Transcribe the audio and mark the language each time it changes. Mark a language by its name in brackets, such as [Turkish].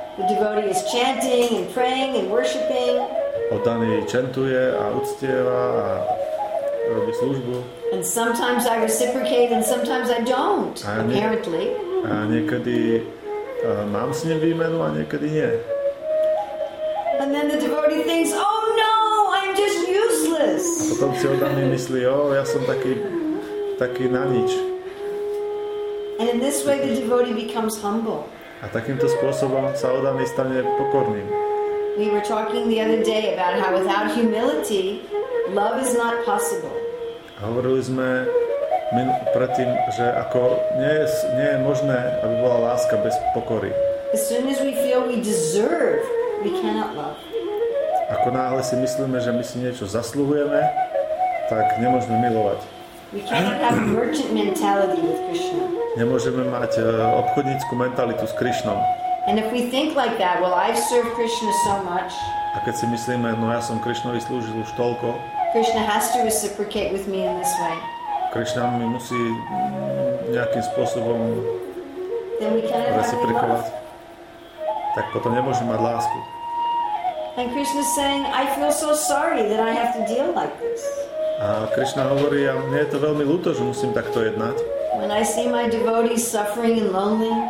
[English] The devotee is chanting and praying and worshiping. [Slovak] Otany čentuje a uctieva a robí službu. [English] And sometimes I reciprocate and sometimes I don't, apparently. [Slovak] A niekedy mám s ním výmenu a niekedy nie. [English] And then the devotee thinks, oh no, I'm just useless. [Slovak] A potom si otany myslí, oh, ja som taký na nič. [English] And in this way the devotee becomes humble. [Slovak] A takýmto spôsobom sa otany stane pokorným. [English] We were talking the other day about how without humility, love is not possible. [Slovak] Hovorili sme predtým, že ako nie je možné, aby bola láska bez pokory. [English] As soon as we feel we deserve, we cannot love. [Slovak] Ako náhle si myslíme, že my si niečo zasluhujeme, tak nemôžeme milovať. [English] We cannot have merchant mentality with Krishna. [Slovak] Nemôžeme mať obchodnícku mentalitu s Krishnom. [English] And if we think like that, well, I've served Krishna so much. [Slovak] A keď si myslíme, no ja som Krishnovi slúžil už toľko. [English] Krishna has to reciprocate with me in this way. [Slovak] Krishna mi musí nejakým spôsobom reciprikovať. Tak potom nemôžem mať lásku. [English] And Krishna is saying, I feel so sorry that I have to deal like this. [Slovak] A Krishna hovorí, a mne je to veľmi ľúto, že musím takto jednať. [English] When I see my devotees suffering and lonely.